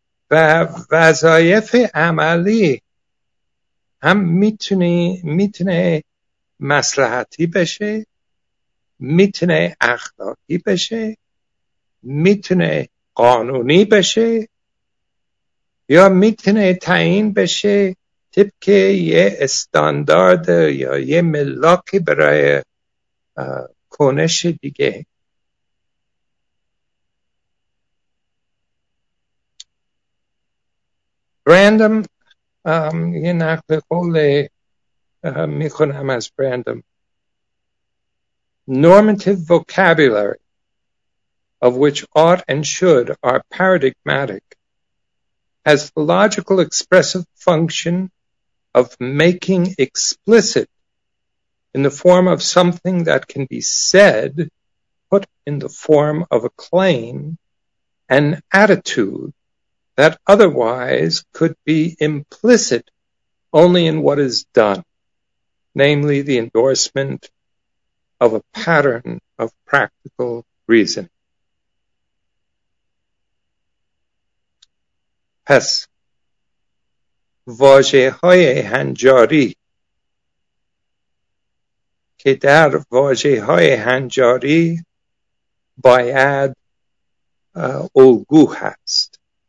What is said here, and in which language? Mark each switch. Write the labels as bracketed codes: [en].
[fa] و وظایف عملی هم میتونه مصلحتی بشه، میتونه اخلاقی بشه، میتونه قانونی بشه، یا میتونه تعیین بشه طبق یه استاندارد یا یه ملاکی برای کنش دیگه. براندم، یه نقل قول میخونم از براندم. [en] Normative vocabulary, of which ought and should are paradigmatic, has the logical expressive function of making explicit, in the form of something that can be said, put in the form of a claim, an attitude that otherwise could be implicit only in what is done, namely the endorsement of a pattern of practical reason. [fa] پس واژه‌های هنجاری که در واژه‌های هنجاری باید الگو هست،